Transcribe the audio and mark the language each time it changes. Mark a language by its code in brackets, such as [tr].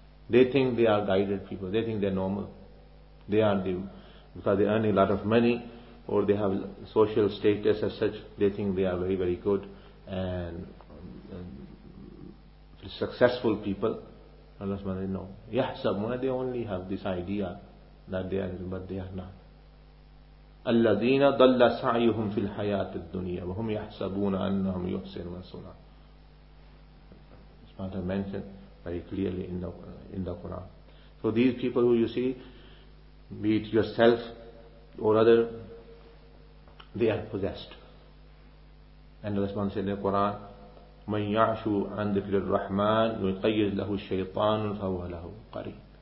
[en] They think they are guided people. They think they are normal. They are the, because they earn a lot of money or they have social status as such, they think they are very, very good and successful people. Allah subhanahu wa ta'ala, no. Yahsabuna, they only have this idea that they are, but they are not. [ar] الذين ضل سعيهم في الحياة الدنيا وهم يحسبون أنهم يحسنون صنعا. [en] It's not mentioned very clearly in the Quran. So these people who you see, be it yourself or other, they are possessed. And Allah subhanahu wa ta'ala said in the Quran, [ar] من يعش عن ذكر الرحمن يقيد له الشيطان فهو له قريب.